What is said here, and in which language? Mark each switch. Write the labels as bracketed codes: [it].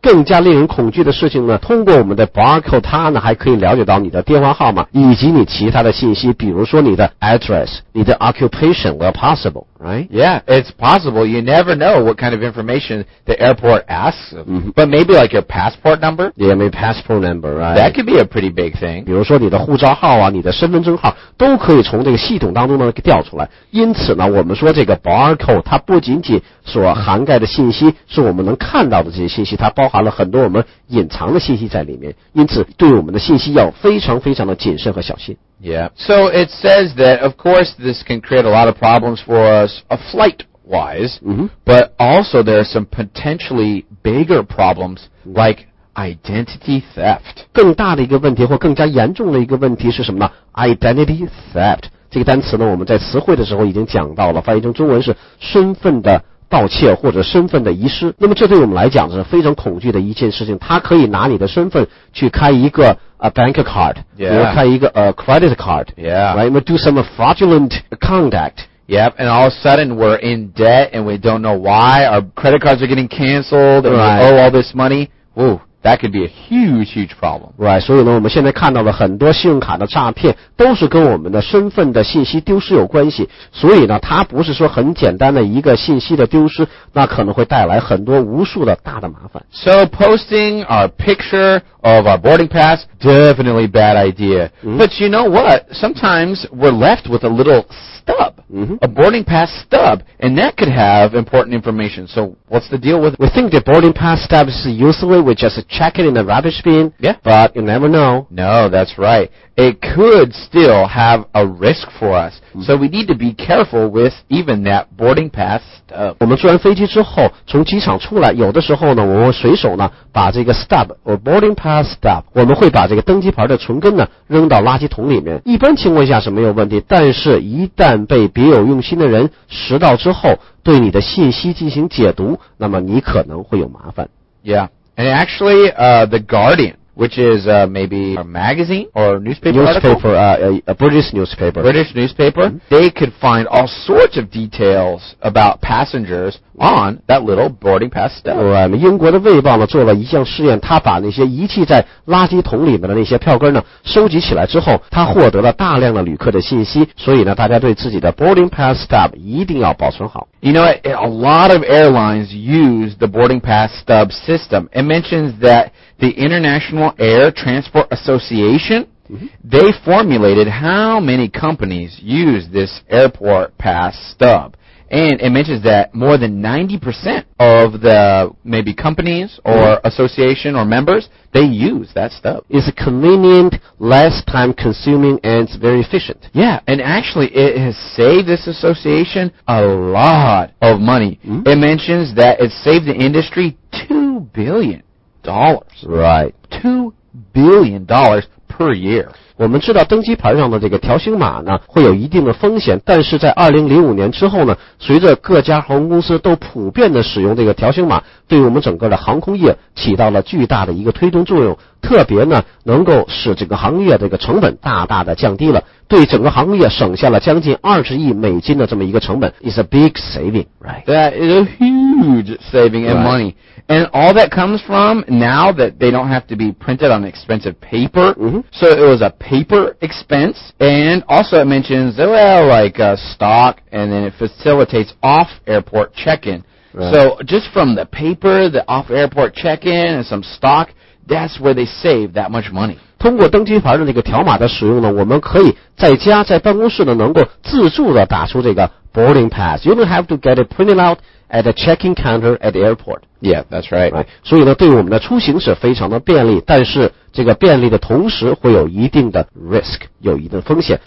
[zh] 更加令人恐惧的事情呢，通过我们的 barcode， 它呢还可以了解到你的电话号码以及你其他的信息，比如说你的 address， 你的 occupation， well possible, right? [en] Yeah, it's possible. You never know what kind of information the airport asks of. Mm-hmm. But maybe like your passport number? Yeah, maybe passport number, right? That could be a pretty big thing. [zh] 比如说你的护照号啊，你的身份证号都可以从这个系统当中呢给调出来。因此呢，我们说这个 barcode 它不仅仅所涵盖的信息是我们能看到的这些信息，它包含了很多我们隐藏的信息在里面。因此，对我们的信息要非常非常的谨慎和小心。 [en] Yeah. So it says that, of course, this can create a lot of problems for us, flight-wise. Mm-hmm. But also, there are some potentially bigger problems, like identity theft. [zh] 更大的一个问题或更加严重的一个问题是什么呢 ？Identity theft。这个单词呢，我们在词汇的时候已经讲到了，翻译成中文是身份的盗窃或者身份的遗失。那么这对我们来讲是非常恐惧的一件事情。他可以拿你的身份去开一个bank card， 比如开一个credit card， [en] yeah， right， do some fraudulent conduct。 Yep, and all of a sudden we're in debt and we don't know why. Our credit cards are getting canceled and right. We owe all this money. Ooh. That could be a huge, huge problem. [zh] Right, 所以呢，我们现在看到了很多信用卡的诈骗都是跟我们的身份的信息丢失有关系。所以呢，它不是说很简单的一个信息的丢失，那可能会带来很多无数的大的麻烦。 [en] So posting our picture of our boarding pass definitely a bad idea. Mm-hmm. But you know what? Sometimes we're left with a little stub, mm-hmm. a boarding pass stub, and that could have important information. So what's the deal with it? We think the boarding pass stub is usually we just check it in the rubbish bin, yeah. but you never know. No, that's right. It could still have a risk for us. Mm-hmm. So we need to be careful with even that boarding pass stub. [zh] 我们坐完飞机之后从机场出来有的时候呢我们随手呢把这个 stub, or boarding pass stub, 我们会把这个登机牌的存根呢扔到垃圾桶里面。一般情况下是没有问题但是一旦被别有用心的人拾到之后对你的信息进行解读那么你可能会有麻烦。 [en] Yeah, and actually, the Guardian,which is maybe a magazine or a newspaper, a British newspaper. British newspaper, mm-hmm. they could find all sorts of details about passengers on that little boarding pass stub. [zh] Right, 英国的卫报呢做了一项试验，他把那些遗弃在垃圾桶里面的那些票根呢收集起来之后，他获得了大量的旅客的信息。所以呢，大家对自己的 boarding pass stub 一定要保存好。 [en] You know, a lot of airlines use the boarding pass stub system. It mentions that. The International Air Transport Association, they formulated how many companies use this airport pass stub. And it mentions that more than 90% of the maybe companies or association or members, they use that stub. It's convenient, less time consuming, and it's very efficient. Yeah, and actually it has saved this association a lot of money. Mm-hmm. It mentions that it saved the industry $2 billion. Dollars. Right. $2 billion per year. [zh] 我们知道登机牌上的这个条形码呢会有一定的风险但是在2005年之后呢随着各家航空公司都普遍的使用这个条形码对于我们整个的航空业起到了巨大的一个推动作用特别呢能够使这个行业这个成本大大的降低了对整个行业省下了将近$20亿的这么一个成本 It's a big saving, right? [en] That is a huge saving in money. And all that comes from now that they don't have to be printed on expensive paper. Mm-hmm. So it was a paper expense. And also it mentions, well, like stock and then it facilitates off-airport check-in. Right. So just from the paper, the off-airport check-in and some stock, that's where they save that much money. [zh] 通过登机牌的那个条码的使用呢我们可以在家在办公室呢能够自助的打出这个 boarding pass. [en] You don't have to get it printed out at the check-in counter at the airport. Yeah, that's right. Right. [zh] 所以呢对我们的出行是非常的便利但是这个便利的同时会有一定的 risk, 有一定的风险。